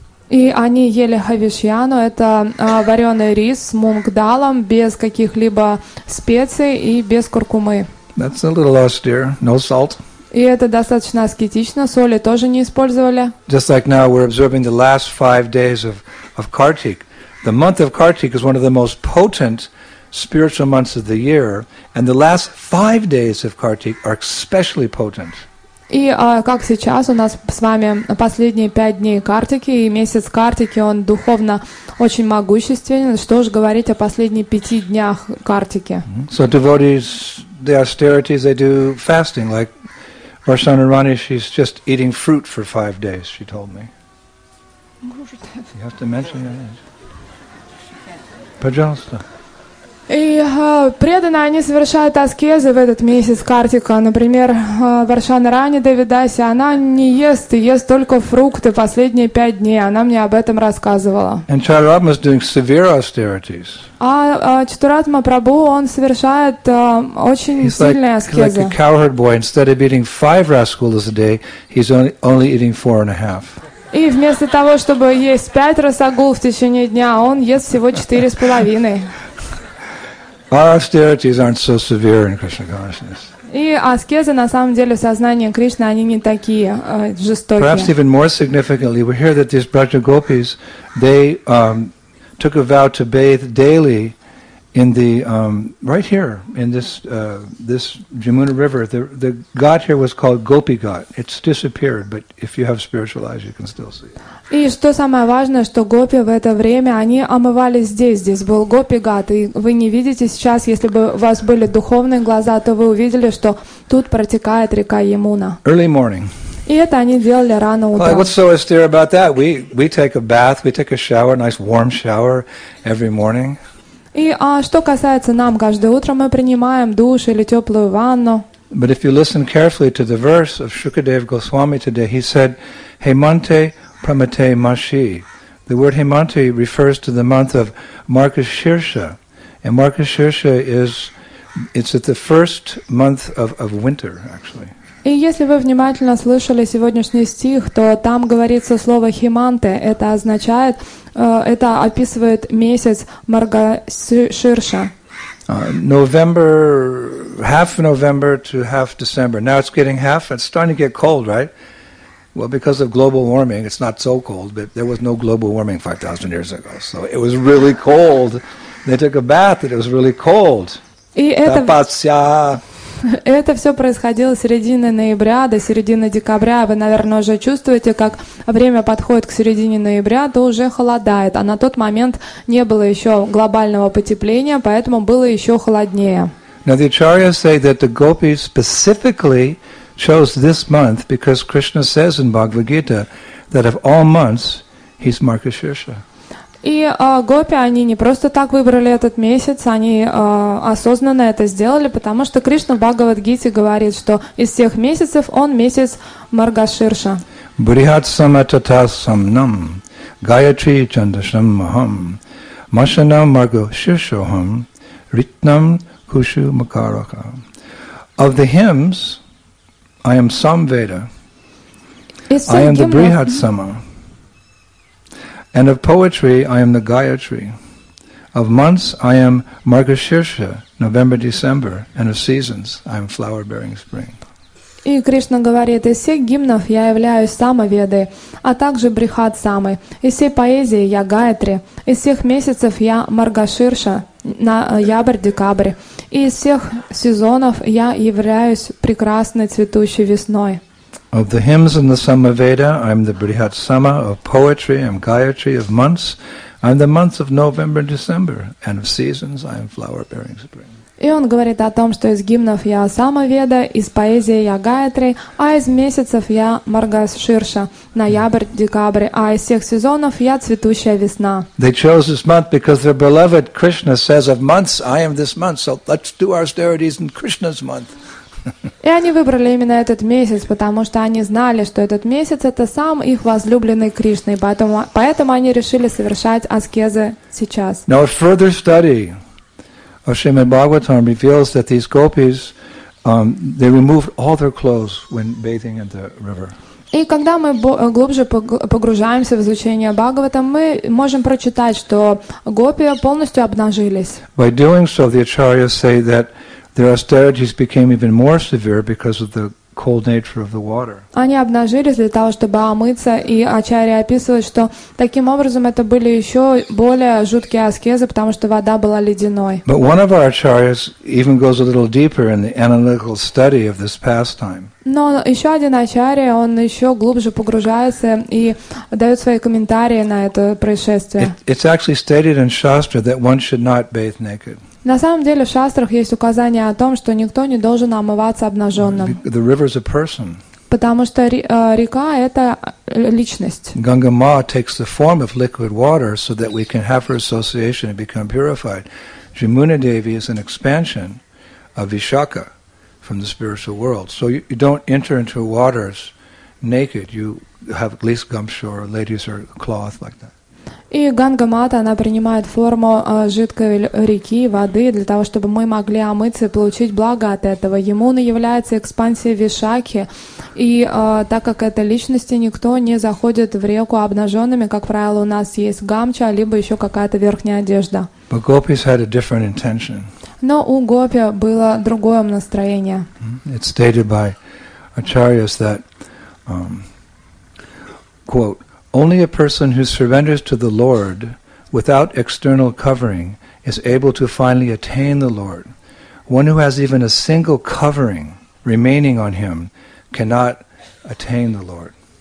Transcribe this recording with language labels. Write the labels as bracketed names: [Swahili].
[Russian] И они ели хавишьяну, это вареный рис с мунгдалом, без каких-либо специй и без куркумы. [English] That's a little austere, no salt. [Russian] И это достаточно аскетично, соли тоже не использовали. [English] Just like now we're observing the last five days of Kartik. The month of Kartik is one of the most potent spiritual months of the year, and the last five days of Kartik are especially potent. [Russian] И как сейчас у нас с вами последние пять дней Картики, и месяц Картики, он духовно очень могущественен. Что же говорить о последних пяти днях Картики? [English] So devotees, the austerities, they do fasting, like Varshana Rani, she's just eating fruit for five days, she told me. You have to mention that. [Russian] Пожалуйста. И преданные, они совершают аскезы в этот месяц Картика. Например, Варшана Рани Девидаси, она не ест, ест только фрукты последние пять дней. Она мне об этом рассказывала. [English] And Chaturatma is doing severe austerities. [Russian] А Чатуратма Прабу, он совершает очень [English] he's [Russian] сильные [English] like, [Russian] аскезы. [English] He's like a cowherd boy. Instead of eating five rascals a day, he's only eating four and a half. [Russian] И вместо того, чтобы есть пять расагул в течение дня, он ест всего четыре с половиной. [English] Our austerities aren't so severe in Krishna consciousness. [Russian] И аскезы на самом деле в сознании Кришны они не такие жестокие. [English] Perhaps even more significantly, we hear that these Brajagopis, they took a vow to bathe daily in the right here in this this Jamuna River. The ghat here was called Gopi ghat. It's disappeared, but if you have spiritual eyes, you can still see. [Russian] И что самое важное, что гопи в это время, они омывались здесь. Здесь был гопи-гат. И вы не видите сейчас, если бы у вас были духовные глаза, то вы увидели, что тут протекает река Ямуна. [English] Early morning. [Russian] И это они делали рано утром. [English] Well, what's so austere about that? We take a bath, we take a shower, a nice warm shower every morning. [Russian] И что касается нам, каждое утро мы принимаем душ или теплую ванну. [English] But if you listen carefully to the verse of Shukadev Goswami today, he said, [Sanskrit] Hemante, Pramate Mashi. [English] The word Hemanti refers to the month of Markashirsha. And Markashirsha is it's at the first month of winter, actually. [Russian] И если вы внимательно слышали сегодняшний стих, то там говорится слово Химанте. Это означает это описывает месяц Маркаширша. [English] November, half November to half December. Now it's getting half, it's starting to get cold, right? Well, because of global warming, it's not so cold, but there was no global warming 5,000 years ago. So it was really cold. They took a bath, and it was really cold. [Russian] И это... [Sanskrit] Tapasya. [Russian] Это все происходило середине ноября до середины декабря. Вы, наверное, уже чувствуете, как время подходит к середине ноября, то уже холодает. А на тот момент не было еще глобального потепления, поэтому было еще холоднее. [English] Now the acharyas say that the gopis specifically chose this month because Krishna says in Bhagavad Gita that of all months he's Marga Shirsha. [Russian] И гопи, они не просто так выбрали этот месяц, они осознанно это сделали, потому что Кришна в Бхагавад-гите говорит, что из всех месяцев он месяц Маргаширша. [Sanskrit] Брихатсама татасам нам, гаятри чандашам махам, машанам маргаширшохам, ритнам кушу макарака. [English] Of the hymns, I am Samveda, I am the Брихатсама. And of poetry, I am the Gayatri. Of months, I am Margashirsha, November, December. And of seasons, I am flower-bearing spring. [Russian] И Кришна говорит, из всех гимнов я являюсь Самаведой, а также Брихат Самой. Из всей поэзии я Гаятри. Из всех месяцев я Маргаширша, ноябрь, декабрь. И из всех сезонов я являюсь прекрасной цветущей весной. [English] Of the hymns in the Samaveda, I'm the Brihat Sama. Of poetry, I'm Gayatri. Of months, I'm the months of November and December. And of seasons, I'm flower-bearing spring. [Russian] И он говорит о том, что из гимнов я Самаведа, из поэзии я Гаятри, а из месяцев я Маргаширша, ноябрь, декабрь, а из всех сезонов я цветущая весна. [English] They chose this month because their beloved Krishna says of months, I am this month, so let's do our austerities in Krishna's month. [Russian] И они выбрали именно этот месяц, потому что они знали, что этот месяц — это сам их возлюбленный Кришна, и поэтому они решили совершать аскезы сейчас. [English] Now, further study of Srimad Bhagavatam reveals that these gopis, they removed all their clothes when bathing in the river. [Russian] И когда мы глубже погружаемся в изучение Бхагаватам, мы можем прочитать, что гопи полностью обнажились. [English] By doing so, the acharyas say that their austerities became even more severe because of the cold nature of the water. [Russian] Они обнажились для того, чтобы омыться, и ачарьи описывают, что таким образом это были еще более жуткие аскезы, потому что вода была ледяной. [English] But one of our acharyas even goes a little deeper in the analytical study of this pastime. [Russian] Но еще один ачарья, он еще глубже погружается и дает свои комментарии на это происшествие. [English] It's actually stated in Shastra that one should not bathe naked. [Russian] На самом деле в шастрах есть указание о том, что никто не должен омываться обнаженным. [English] The river is a person. [Russian] Потому что река – это личность. [English] Ganga Ma takes the form of liquid water so that we can have her association and become purified. Jamuna Devi is an expansion of Vishakha from the spiritual world. So you don't enter into waters naked. You have at least gumsho or ladies or cloth like that. [Russian] И Ганга-мата, она принимает форму жидкой реки, воды, для того, чтобы мы могли омыться и получить благо от этого. Ямуна является экспансией Вишакхи, и так как это личности, никто не заходит в реку обнаженными, как правило, у нас есть гамча, либо еще какая-то верхняя одежда. [English] But gopis had a different intention. [Russian] Но у гопи было другое настроение. [English] It's stated by acharyas that, quote, only a person who surrenders to the Lord without external covering is able to finally attain the Lord. One who has even a single covering remaining on him cannot attain the Lord.